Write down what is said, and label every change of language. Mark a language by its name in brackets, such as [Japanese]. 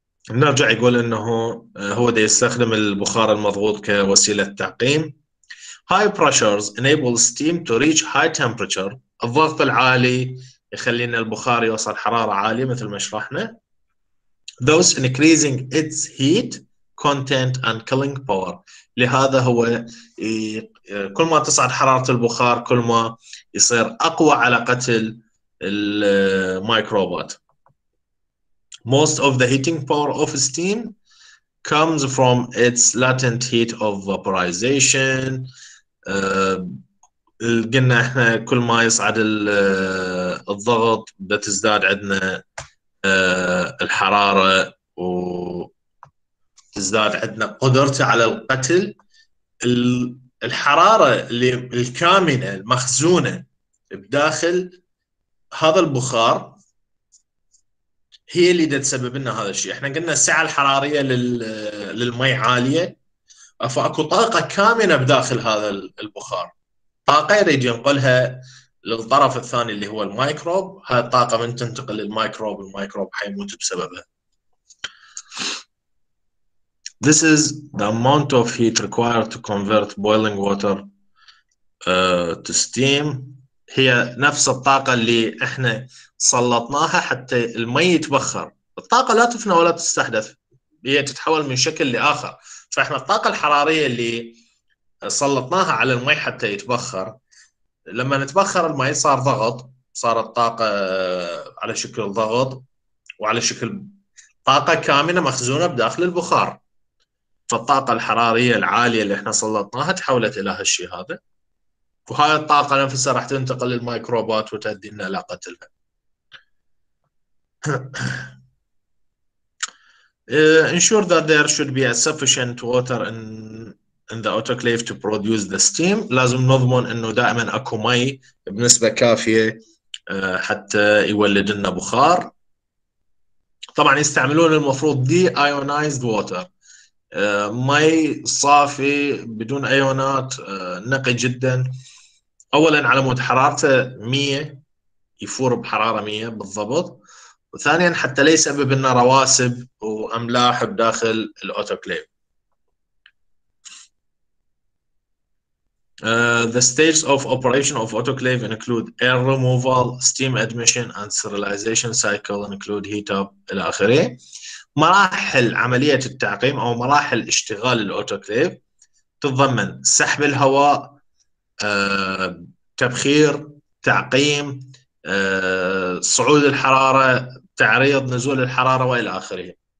[Arabic] نرجع يقول انه هو دي يستخدم البخار المضغوط كوسيلة تعقيم. [English] High pressures enable steam to reach high temperature. [Arabic] الضغط العالي يخلينا البخار يوصل حرارة عالية مثل ما شرحنا. [English] Thus increasing its heat content and cooling power. [Arabic] لهذا هو كل ما تصعد حرارة البخار كل ما يصير أقوى على قتل الميكروبات. [English] Most of the heating power of steam comes from its latent heat of vaporization. [Arabic] قلنا احنا كل ما يصعد الضغط بتزداد عندنا الحرارة وتزداد عندنا قدرته على القتل. الحرارة اللي الكامنة المخزونة بداخل هذا البخار هي اللي تسبب لنا هذا الشيء. احنا قلنا السعة الحرارية للمي عالية فأكو طاقة كامنة بداخل هذا البخار، طاقة يريد ينقلها للطرف الثاني اللي هو الميكروب، هاي الطاقة من تنتقل للميكروب الميكروب حيموت بسببها. [English] This is the amount of heat required to convert boiling water to steam. [Arabic] هي نفس الطاقة اللي احنا سلطناها حتى المي يتبخر. الطاقة لا تفنى ولا تستحدث، هي تتحول من شكل لآخر. فإحنا الطاقة الحرارية اللي سلطناها على المي حتى يتبخر، لما نتبخر المي صار ضغط، صار الطاقة على شكل ضغط وعلى شكل طاقة كامنة مخزونة بداخل البخار. فالطاقة الحرارية العالية اللي إحنا سلطناها تحولت إلى هالشيء هذا، وهاي الطاقة نفسها راح تنتقل للميكروبات وتؤدي لنا إلى قتلها. [English] ensure that there should be a sufficient water in the autoclave to produce the steam. [Arabic] لازم نضمن انه دائما اكو مي بنسبه كافيه حتى يولد لنا بخار. طبعا يستعملون المفروض deionized water، مي صافي بدون ايونات، نقي جدا. اولا على مود حرارته 100 يفور بحراره 100 بالضبط، وثانيا حتى لا يسبب لنا رواسب واملاح بداخل الاوتوكليف. [English] The stages of operation of autoclave include air removal, steam admission and sterilization cycle include heat up [Arabic] الى اخره. مراحل عمليه التعقيم او مراحل اشتغال الاوتوكليف تتضمن سحب الهواء، تبخير، تعقيم، صعود الحراره، تعريض نزول الحرارة وإلى آخره.